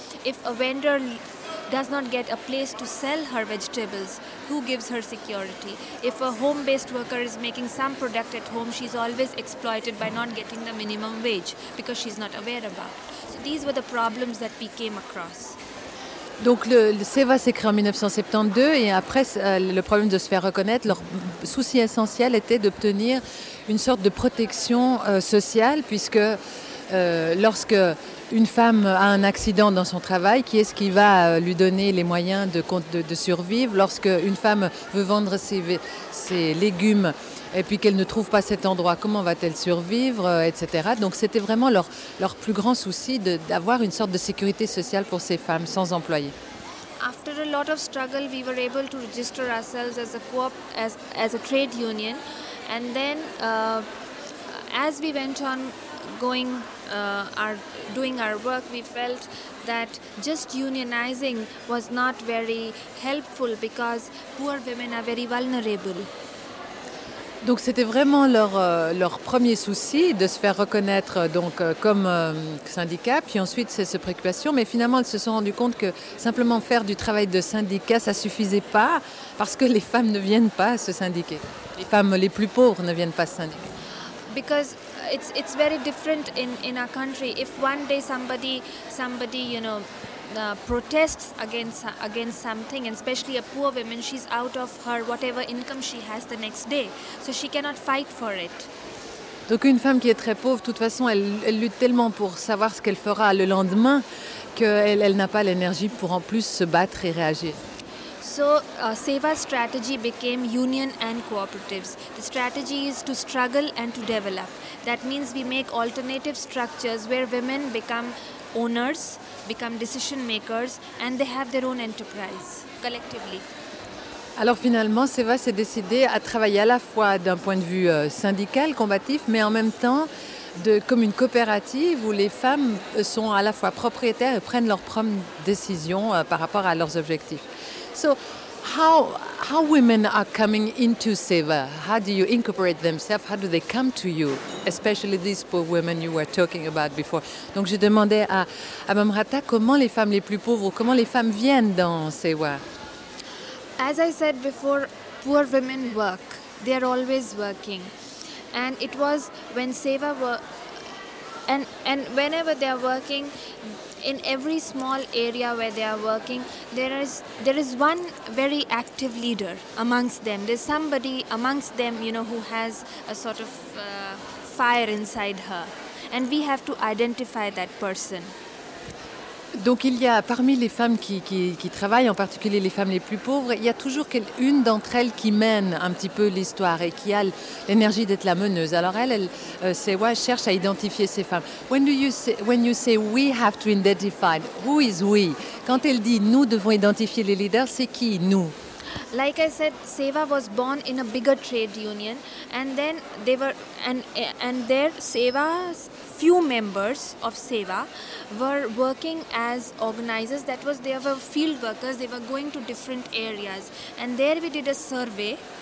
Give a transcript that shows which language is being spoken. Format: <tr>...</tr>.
<en>If a vendor does not get a place to sell her vegetables, who gives her security? If a home-based worker is making some product at home, she's always exploited by not getting the minimum wage because she's not aware about. So these were the problems that we came across.</en> <fr>Donc le Seva s'est créé en 1972 et après le problème de se faire reconnaître, leur souci essentiel était d'obtenir une sorte de protection sociale puisque lorsque une femme a un accident dans son travail, qui est-ce qui va lui donner les moyens de survivre? Lorsque une femme veut vendre ses légumes et puis qu'elle ne trouve pas cet endroit, comment va-t-elle survivre, etc. Donc c'était vraiment leur plus grand souci d'avoir une sorte de sécurité sociale pour ces femmes sans employés.</fr> <en>After a lot of struggle, we were able to register ourselves as a co-op, as a trade union. And then, as we went on going, doing our work, we felt that just unionizing was not very helpful because poor women are very vulnerable.</en> <fr>Donc c'était vraiment leur premier souci de se faire reconnaître donc comme syndicat, puis ensuite c'est cette préoccupation. Mais finalement, elles se sont rendues compte que simplement faire du travail de syndicat, ça suffisait pas parce que les femmes ne viennent pas se syndiquer. Les femmes les plus pauvres ne viennent pas se syndiquer.</fr> <en>Because it's very different in our country. If one day somebody you know protests against something, and especially a poor woman, she's out of her whatever income she has the next day, so she cannot fight for it.</en> <fr>Donc une femme qui est très pauvre, de toute façon, elle lutte tellement pour savoir ce qu'elle fera le lendemain qu'elle n'a pas l'énergie pour en plus se battre et réagir.</fr> <en>So Seva's strategy became union and cooperatives. The strategy is to struggle and to develop. That means we make alternative structures where women become owners, become decision makers, and they have their own enterprise collectively.</en> <fr>Alors finalement, Seva s'est décidé à travailler à la fois d'un point de vue syndical, combatif, mais en même temps comme une coopérative où les femmes sont à la fois propriétaires et prennent leurs propres décisions par rapport à leurs objectifs.</fr> <en>So how women are coming into Seva? How do you incorporate themselves? How do they come to you, especially these poor women you were talking about before?</en> <fr>Donc je demandais à Mamrata comment les femmes les plus pauvres, comment les femmes viennent dans Seva?</fr> <en>As I said before, poor women work. They are always working. And it was when Seva were and whenever they are working, in every small area where they are working, there is one very active leader amongst them. There's somebody amongst them, you know, who has a sort of fire inside her, and we have to identify that person.</en> <fr>Donc il y a parmi les femmes qui travaillent, en particulier les femmes les plus pauvres, il y a toujours une d'entre elles qui mène un petit peu l'histoire et qui a l'énergie d'être la meneuse. Alors cherche à identifier ces femmes.</fr> <en>When you say we have to identify, who is we?</en> <fr>Quand elle dit nous devons identifier les leaders, c'est qui nous?</fr> <en>Like I said, Seva was born in a bigger trade union, and then they were and there Seva's few members of Seva were working as organizers. That was, they were field workers. They were going to different areas, and there we did a survey,</en>